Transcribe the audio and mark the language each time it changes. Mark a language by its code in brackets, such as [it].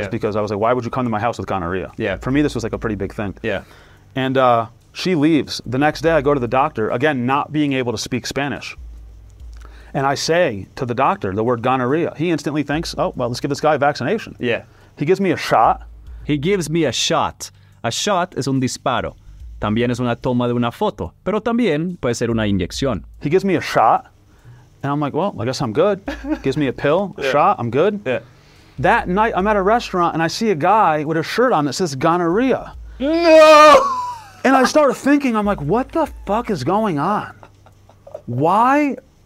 [en] Just because I was like, why would you come to my house with gonorrhea? Yeah. For me, this was like a pretty big thing. Yeah. And she leaves. The next day, I go to the doctor, again, not being able to speak Spanish. And I say to the doctor the word gonorrhea. He instantly thinks, oh, well, let's give this guy a vaccination. Yeah. He gives me a shot. He gives me a shot. A shot [es] es un disparo. También es una toma de una foto. Pero también puede ser una inyección. [en] He gives me a shot. And I'm like, well, I guess I'm good. Gives me a pill, a shot, I'm good. Yeah. That night, I'm at a restaurant, and I see a guy with a shirt on that says gonorrhea. No! And I start thinking, I'm like, what the fuck is going on? Why?